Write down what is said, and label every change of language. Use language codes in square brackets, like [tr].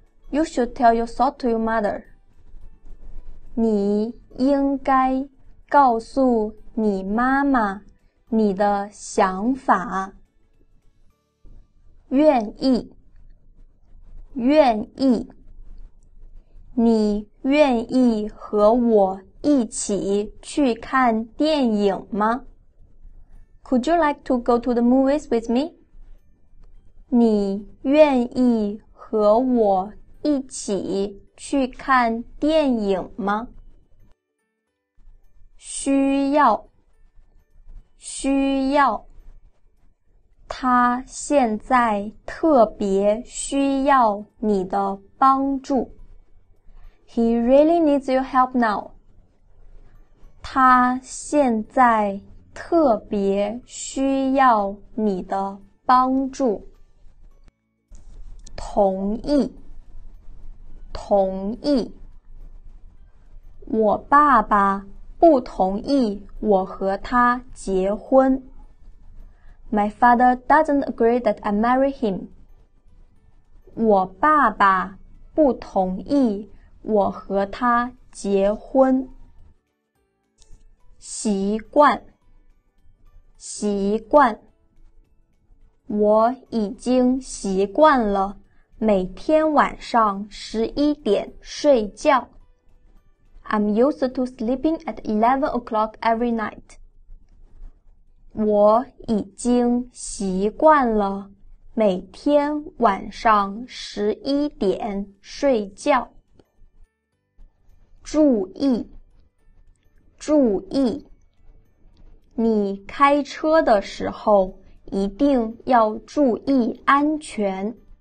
[en] You should tell your thought to your mother. [zh] 你应该告诉你妈妈你的想法。愿意，愿意。你愿意和我一起去看电影吗？ [en] Could you like to go to the movies with me? [zh] 你愿意和我一起去看电影吗？需要，需要。他现在特别需要你的帮助。 [en] He really needs your help now. [zh] 他现在特别需要你的帮助。同意，同意。我爸爸不同意我和他结婚。 [en] My father doesn't agree that I marry him. [zh] 我爸爸不同意我和他结婚。习惯，习惯。我已经习惯了每天晚上11点睡觉。 [en] I'm used to sleeping at 11 o'clock every night. [zh] 我已经习惯了每天晚上11点睡觉。注意，注意。你开车的时候一定要注意安全。